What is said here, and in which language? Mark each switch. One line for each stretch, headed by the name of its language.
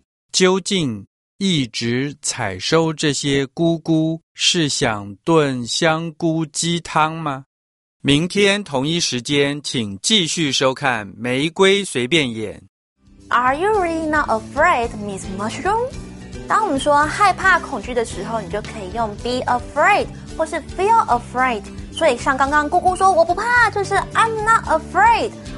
Chinese: 究竟一直采收这些姑姑是想炖香菇鸡汤吗？明天同一时间，请继续收看《玫瑰随便演》。
English: Are you really not afraid, Miss Mushroom？
Chinese: 当我们说害怕、恐惧的时候，你就可以用
English: be afraid
Chinese: 或是
English: feel afraid。
Chinese: 所以像刚刚姑姑说我不怕，就是
English: I'm not afraid。